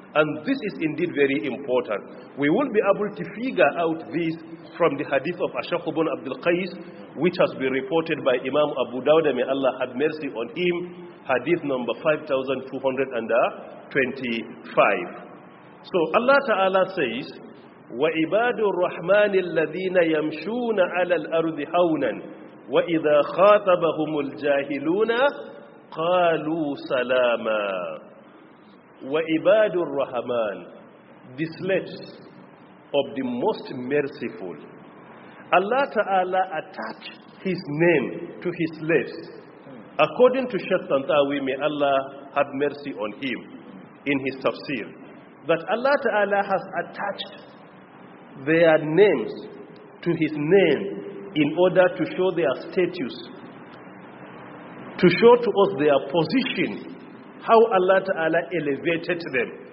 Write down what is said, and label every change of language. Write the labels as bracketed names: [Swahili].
[English] And this is indeed very important. We will be able to figure out this from the hadith of Ash-Shaykh ibn Abd al-Qais, which has been reported by Imam Abu Dawud, may Allah have mercy on him, hadith number 5225. So Allah Ta'ala says, [Arabic] وَعِبَادُ الرَّحْمَنِ الَّذِينَ يَمْشُونَ عَلَى الْأَرْضِ هَوْنًا وَإِذَا خَاطَبَهُمُ الْجَاهِلُونَ قَالُوا سَلَامًا. وَعِبَادُ الرَّحْمَنِ, [English] the slaves of the most merciful. Allah Ta'ala attached his name to his slaves. According to Sheikh Tantawi, may Allah have mercy on him, in his tafsir, that Allah Ta'ala has attached their names to his name in order to show their status, to show to us their position, how Allah Ta'ala elevated them.